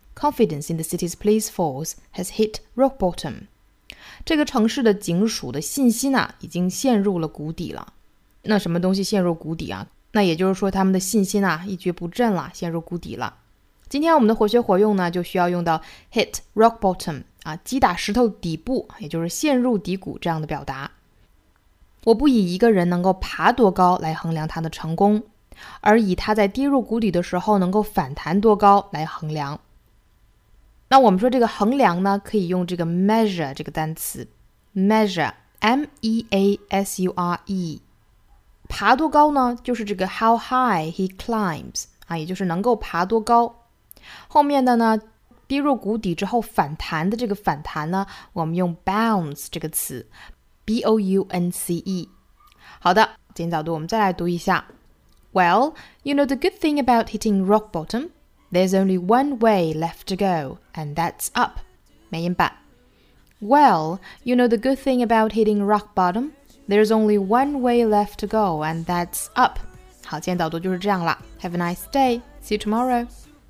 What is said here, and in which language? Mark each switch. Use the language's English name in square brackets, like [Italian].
[English] Confidence in the city's police force has hit rock bottom。 [Chinese] 这个城市的警署的信心啊已经陷入了谷底了。那什么东西陷入谷底啊？那也就是说他们的信心啊一蹶不振了，陷入谷底了。今天我们的活学活用呢，就需要用到 hit rock bottom 啊，击打石头底部，也就是陷入低谷这样的表达。我不以一个人能够爬多高来衡量他的成功，而以他在跌入谷底的时候能够反弹多高来衡量。那我们说这个衡量呢，可以用这个 measure 这个单词。 measure M-E-A-S-U-R-E。 爬多高呢，就是这个 [English] how high he climbs [Chinese] 啊，也就是能够爬多高。后面的呢，跌入谷底之后反弹的这个反弹呢，我们用 bounce 这个词， B-O-U-N-C-E。好的，今天早读我们再来读一下。 [English] Well, you know the good thing about hitting rock bottomThere's only one way left to go, and that's up. [Chinese] 美音版。 [English] Well, you know the good thing about hitting rock bottom? There's only one way left to go, and that's up. [Chinese] 好，今天导读就是这样了。 [English] Have a nice day. See you tomorrow.